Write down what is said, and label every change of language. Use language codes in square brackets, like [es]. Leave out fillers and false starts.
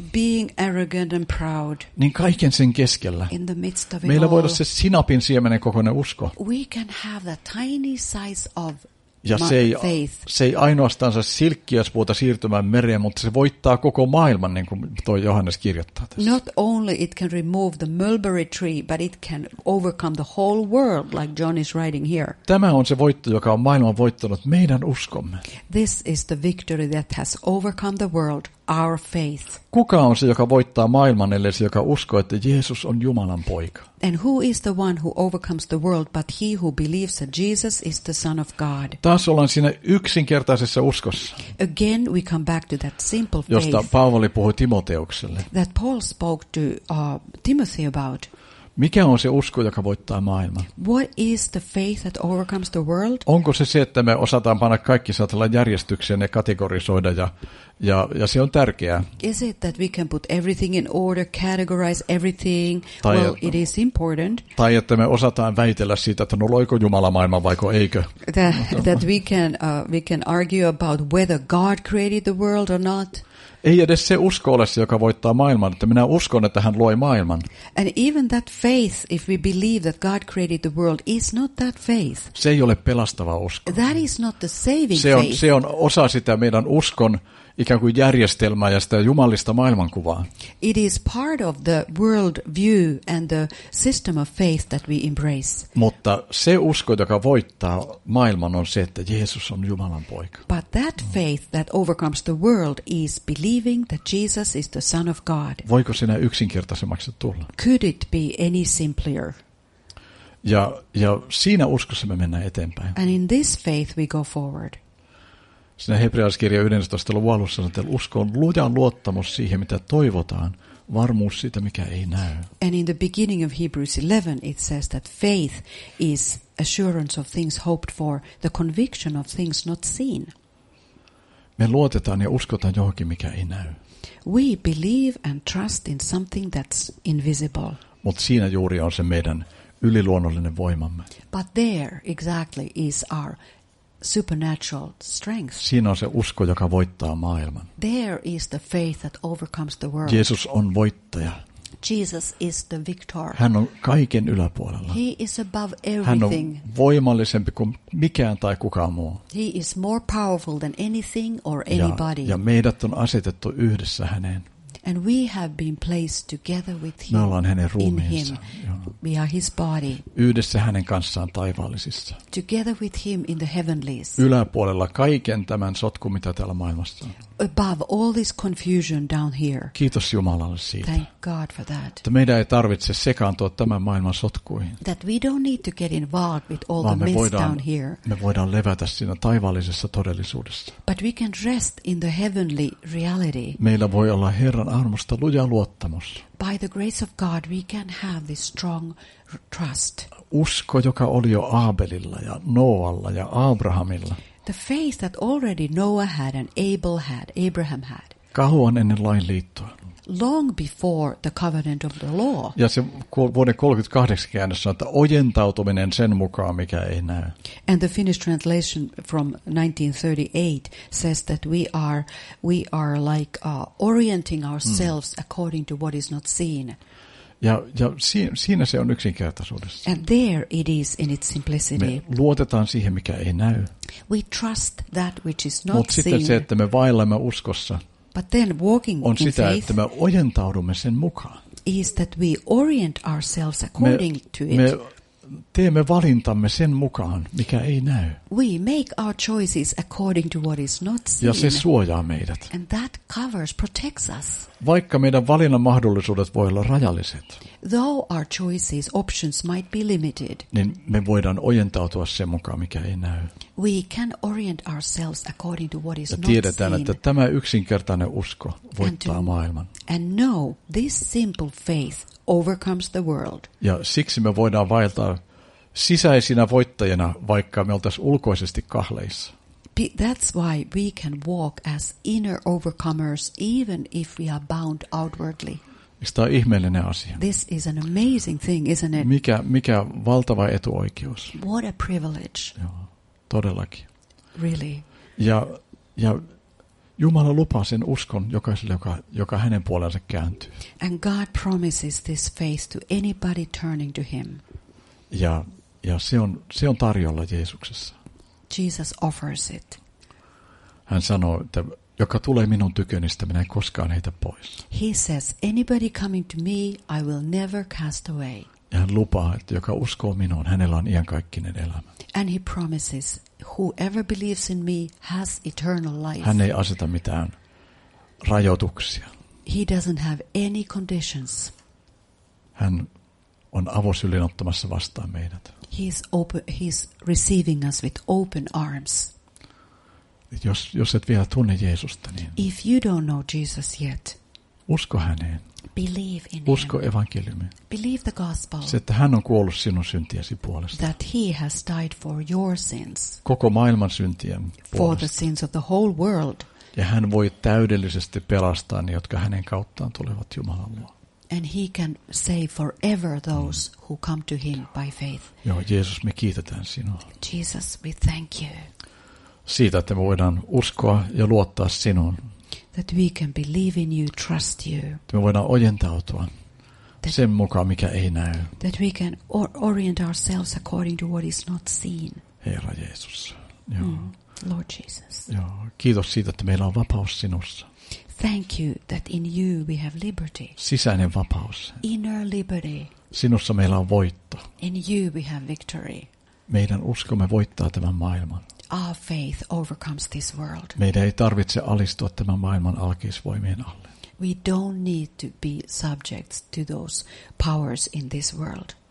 [en] Being arrogant and proud. [fi] Niin kaiken sen keskellä. [en] In the midst of it [fi] meillä [en] all, [fi] voi olla se sinapin siemenen kokoinen usko. [en] We can have the tiny size of [fi] ja se ei, [en] faith. [fi] Se ei ainoastaan saa silkkiäspuuta siirtymään mereen, mutta se voittaa koko maailman, niin kuin toi Johannes kirjoittaa tässä. [en] Not only it can remove the mulberry tree, but it can overcome the whole world, like John is writing here. [fi] Tämä on se voitto, joka on maailman voittanut meidän uskomme. [en] This is the victory that has overcome the world, our faith. [fi] Kuka on se, joka voittaa maailman, ellei se, joka uskoo, että Jeesus on Jumalan poika? [en] And who is the one who overcomes the world, but he who believes that Jesus is the Son of God? [fi] Taas ollaan siinä yksinkertaisessa uskossa. [en] Again, we come back to that simple faith. [fi] Josta Paavali puhui Timoteukselle. [en] That Paul spoke to Timothy about. [fi] Mikä on se usko, joka voittaa maailman? [en] What is the faith that overcomes the world? [fi] Onko se se, että me osataan panna kaikki satella järjestykseen ja kategorisoida ja se on tärkeää? [en] Is it that we can put everything in order, categorize everything? [fi] Tai, [en] well, it is important. [fi] Tai että me osataan väitellä siitä, että no loiko Jumala maailman vaiko eikö? [en] That we can argue about whether God created the world or not. [fi] Ei edes se usko ole se, joka voittaa maailman, että minä uskon, että hän loi maailman. [en] And even that faith, if we believe that God created the world, is not that faith. [fi] Se ei ole pelastava usko. [en] That is not the saving [fi] se on, [en] faith. [fi] Se on osa sitä meidän uskon ikään kuin järjestelmää ja sitä jumalista maailmankuvaa. [en] It is part of the world view and the system of faith that we embrace. [fi] Mutta se usko, joka voittaa maailman, on se, että Jeesus on Jumalan poika. [en] But that faith that overcomes the world is believing that Jesus is the Son of God. [fi] Voiko sinä yksinkertaisemmaksi tulla? [en] Could it be any simpler? [fi] Ja siinä uskossa me mennään eteenpäin. [en] And in this faith we go forward. [fi] Siinä hebrealaiskirja 11. luvun alussa sanotaan, että usko on luja luottamus siihen, mitä toivotaan, varmuus siitä, mikä ei näy. [en] And in the beginning of Hebrews 11 it says that faith is assurance of things hoped for, the conviction of things not seen. [fi] Me luotetaan ja uskotaan johonkin, mikä ei näy. [en] We believe and trust in something that's invisible. [fi] Mutta siinä juuri on se meidän yliluonnollinen voimamme. [en] But there exactly is our supernatural strength. [fi] Siinä on se usko, joka voittaa maailman. [en] There is the faith that overcomes the world. [fi] Jeesus on voittaja. [en] Jesus is the victor. [fi] Hän on kaiken yläpuolella. [en] He is above everything. [fi] Hän on voimallisempi kuin mikään tai kukaan muu. [en] He is more powerful than anything or anybody. [fi] Ja meidät on asetettu yhdessä häneen. [en] And we have been placed together with him. [fi] Me ollaan hänen ruumiinsa. [en] In him. We are his body. [fi] Yhdessä hänen kanssaan taivaallisissa. [en] Together with him in the heavenlies. [fi] Yläpuolella kaiken tämän sotkun, mitä täällä maailmassa on. [en] Above all this confusion down here. [fi] Kiitos Jumalalle siitä. [en] Thank God for that. [fi] Että meidän ei tarvitse sekaantua tämän maailman sotkuihin. [en] That we don't need to get involved with all the mess down here. [fi] Me voidaan levätä siinä taivaallisessa todellisuudessa. [en] But we can rest in the heavenly reality. [fi] Meillä voi olla Herran armosta luja luottamus. [en] By the grace of God we can have this strong trust. [fi] Usko, joka oli jo Aabelilla ja Noalla ja Abrahamilla. [en] The faith that already Noah had and Abel had, Abraham had. [fi] Kauan ennen lain liittoa. [en] Long before the covenant of the law. [fi] Ja se vuoden 38 käännössä on, että ojentautuminen sen mukaan, mikä ei näy. [en] And the Finnish translation from 1938 says that we are like orienting ourselves according to what is not seen. [fi] Ja siinä se on yksinkertaisuudessa. [en] And there it is in its simplicity. [fi] Me luotetaan siihen, mikä ei näy. [en] We trust that which is not seen. [fi] Mutta sitten se, että me vaillamme uskossa. [en] But then walking [fi] on sitä, [en] in faith, [fi] että me ojentaudumme sen mukaan. [en] Is that we orient ourselves according to it. [fi] Me teemme valintamme sen mukaan, mikä ei näy. [en] We make our choices according to what is not seen. [fi] Ja se suojaa meidät. [en] And that covers, protects us. [fi] Vaikka meidän valinnan mahdollisuudet voi olla rajalliset. [en] Though our choices, options might be limited. [fi] Niin me voidaan ojentautua sen mukaan, mikä ei näy. [en] We can orient ourselves according to what is not seen. [fi] Ja tiedetään, että tämä yksinkertainen usko voittaa maailman. [en] And know this simple faith overcomes the world. [fi] Ja siksi me voidaan vaeltaa sisäisinä voittajina, vaikka me oltaisiin ulkoisesti kahleissa. [en] That's why we can walk as inner overcomers, even if we are bound outwardly. [fi] Tämä on ihmeellinen asia. [en] This is an amazing thing, isn't it? [fi] Mikä valtava etuoikeus. [en] What a privilege. [fi] Joo, todellakin. [en] Really. [fi] Ja Jumala lupaa sen uskon jokaiselle, joka hänen puoleensa kääntyy. [en] And God promises this faith to anybody turning to him. [fi] Ja se on tarjolla Jeesuksessa. [en] Jesus offers it. [fi] Hän sanoo, että joka tulee minun tykönistä, minä en koskaan heitä pois. [en] He says, anybody coming to me, I will never cast away. [fi] Ja hän lupaa, että joka uskoo minuun, hänellä on iankaikkinen elämä. [en] And he promises, whoever believes in me has eternal life. [fi] Hän ei aseta mitään rajoituksia. [en] He doesn't have any conditions. [fi] Hän on avosylin ottamassa vastaan meidät. [en] He's receiving us with open arms. [fi] Jos et vielä tunne Jeesusta, niin [en] if you don't know Jesus yet, [fi] usko häneen. [en] Believe in him. [fi] Usko evankeliumiin. [en] Believe the gospel. [fi] Se, että hän on kuollut sinun syntiesi puolesta. [en] That he has died for your sins. [fi] Koko maailman syntien puolesta. [en] For the sins of the whole world. [fi] Ja hän voi täydellisesti pelastaa ne, jotka hänen kauttaan tulevat Jumalan luo. [en] And he can save forever those who come to him by faith. [fi] Joo, Jeesus, me kiitetään sinua. [en] Jesus, we thank you. [fi] Siitä, että me voidaan uskoa ja luottaa sinuun. [en] That we can believe in you, trust you. [fi] Että me voidaan ojentautua sen mukaan, mikä ei näy. [en] That we can orient ourselves according to what is not seen. [fi] Herra Jeesus. Joo. [en] Lord Jesus. [fi] Joo. Kiitos siitä, että meillä on vapaus sinussa. [en] Thank you that in you we have liberty. [fi] Sisäinen vapaus. [en] Inner liberty. [fi] Sinussa meillä on voitto. [en] In you we have victory. [fi] Meidän uskomme voittaa tämän maailman. [en] Our faith overcomes this world. [fi] Meidän ei tarvitse alistua tämän maailman alkeisvoimien alle. [en] We don't need to be subject to those powers in this world.